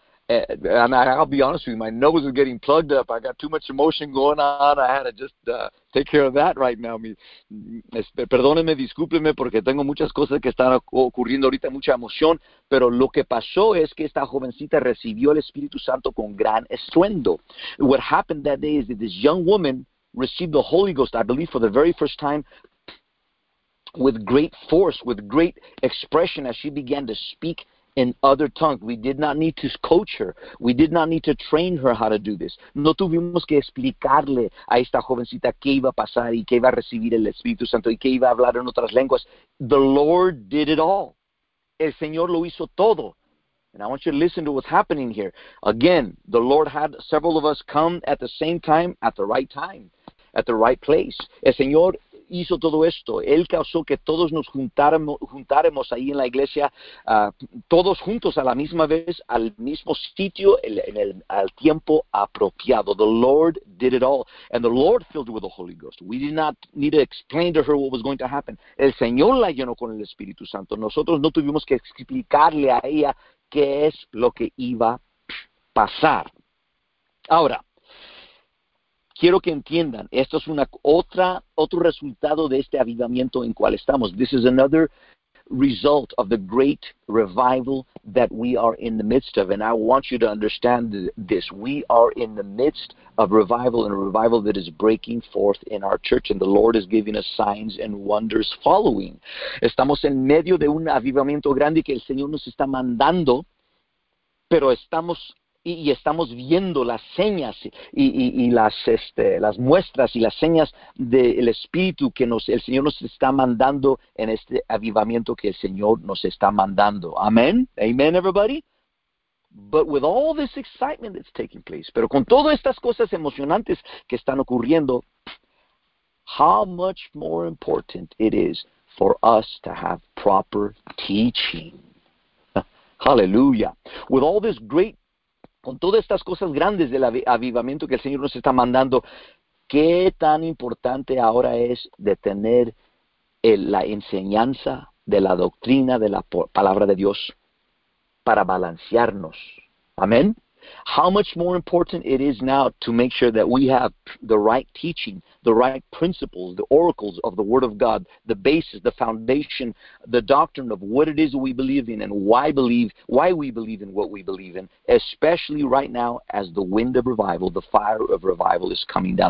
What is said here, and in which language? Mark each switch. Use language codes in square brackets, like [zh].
[en] And I'll be honest with you, my nose is getting plugged up. I got too much emotion going on. I had to just take care of that right now. [es] Perdóneme, discúlpeme, porque tengo muchas cosas que están ocurriendo ahorita, mucha emoción. Pero lo que pasó es que esta jovencita recibió el Espíritu Santo con gran estruendo. [en] What happened that day is that this young woman received the Holy Ghost, I believe, for the very first time, with great force, with great expression, as she began to speak in other tongues. We did not need to coach her. We did not need to train her how to do this. [es] No tuvimos que explicarle a esta jovencita qué iba a pasar y qué iba a recibir el Espíritu Santo y qué iba a hablar en otras lenguas. [en] The Lord did it all. [es] El Señor lo hizo todo. [en] And I want you to listen to what's happening here. Again, the Lord had several of us come at the same time, at the right place. [es] El Señor hizo todo esto. Él causó que todos nos juntáramos ahí en la iglesia, todos juntos a la misma vez, al mismo sitio, al tiempo apropiado. [en] The Lord did it all. And the Lord filled her with the Holy Ghost. We did not need to explain to her what was going to happen. [es] El Señor la llenó con el Espíritu Santo. Nosotros no tuvimos que explicarle a ella qué es lo que iba a pasar. Ahora, quiero que entiendan, esto es otro resultado de este avivamiento en cual estamos. [en] This is another result of the great revival that we are in the midst of. And I want you to understand this. We are in the midst of revival, and a revival that is breaking forth in our church. And the Lord is giving us signs and wonders following. [es] Estamos en medio de un avivamiento grande que el Señor nos está mandando, pero estamos y estamos viendo las señas y las muestras y las señas del Espíritu que el Señor nos está mandando en este avivamiento que el Señor nos está mandando. [en] Amén. Amen, everybody. But with all this excitement that's taking place, [es] pero con todas estas cosas emocionantes que están ocurriendo, [en] how much more important it is for us to have proper teaching. Hallelujah. With all this great [es] con todas estas cosas grandes del avivamiento que el Señor nos está mandando, ¿qué tan importante ahora es de tener la enseñanza de la doctrina de la palabra de Dios para balancearnos? Amén. [en] How much more important it is now to make sure that we have the right teaching, the right principles, the oracles of the Word of God, the basis, the foundation, the doctrine of what it is we believe in and why we believe in what we believe in, especially right now as the wind of revival, the fire of revival is coming down.